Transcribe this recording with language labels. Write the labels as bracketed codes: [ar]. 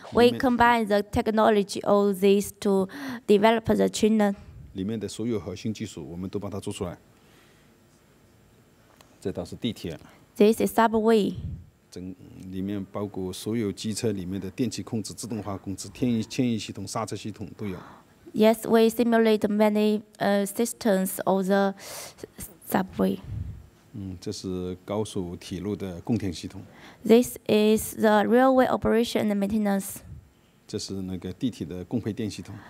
[en] We combine the technology of these to develop the trainer. [zh] 里面的所有核心技术我们都把它做出来。这道是地铁, [en] this is subway. [zh] 整里面包括所有机车里面的电气控制, 自动化控制, 牵引系统, 刹车系统都有。 [en] Yes, we simulate many systems of the subway. [zh] 这是高速铁路的供电系统。 [en] This is the railway operation and maintenance. [zh] 这是那个地铁的供配电系统。